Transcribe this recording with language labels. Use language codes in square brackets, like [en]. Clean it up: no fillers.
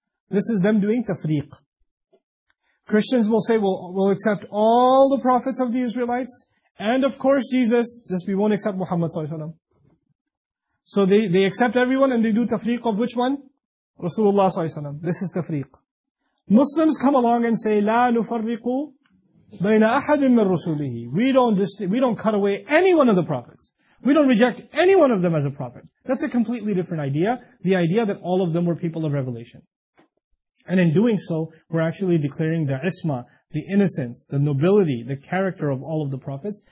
[en] This is them doing tafriq. Christians will say, we'll accept all the prophets of the Israelites, and of course Jesus, just we won't accept Muhammad sallallahu alaihi wasallam. So they accept everyone and they do tafriq of which one? Rasulullah sallallahu alaihi wasallam. This is tafriq. Muslims come along and say, [ar] لَا نُفَرِّقُ بَيْنَ أَحَدٍ مِّن رُسُولِهِ. [en] We don't cut away any one of the prophets. We don't reject any one of them as a prophet. That's a completely different idea. The idea that all of them were people of revelation. And in doing so, we're actually declaring the isma, the innocence, the nobility, the character of all of the prophets.